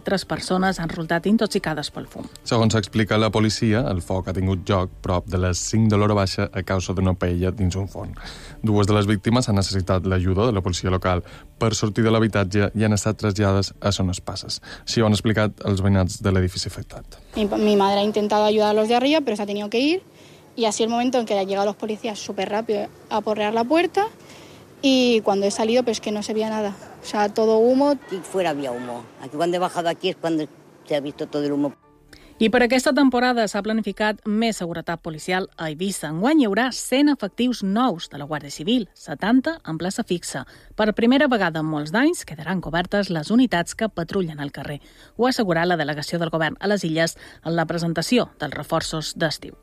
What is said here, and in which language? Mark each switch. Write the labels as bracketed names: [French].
[Catalan] Tres persones han resultat intoxicades pel fum. Segons explica la policia, el foc ha tingut lloc prop de les 5 de l'hora baixa a causa d'una paella dins un forn. Dues de les víctimes han necessitat l'ajuda de la policia local per sortir de l'habitatge i han estat traslladades a Son Espases. Així ho han explicat els veïnats de l'edifici afectat. [Spanish] Mi madre ha intentado ayudarlos de arriba, pero se ha tenido que ir. Y así el momento en que han llegado los policías súper rápido a porrear la puerta y cuando he salido pues que no se veía nada, o sea, todo humo. Y fuera había humo. Aquí cuando he bajado aquí es cuando se ha visto todo el humo. [Catalan] I per aquesta temporada s'ha planificat més seguretat policial a Eivissa. Enguany hi haurà 100 efectius nous de la Guàrdia Civil, 70 en plaça fixa. Per primera vegada en molts d'anys quedaran cobertes les unitats que patrullen al carrer. Ho ha assegurat la delegació del govern a les Illes en la presentació dels reforços d'estiu.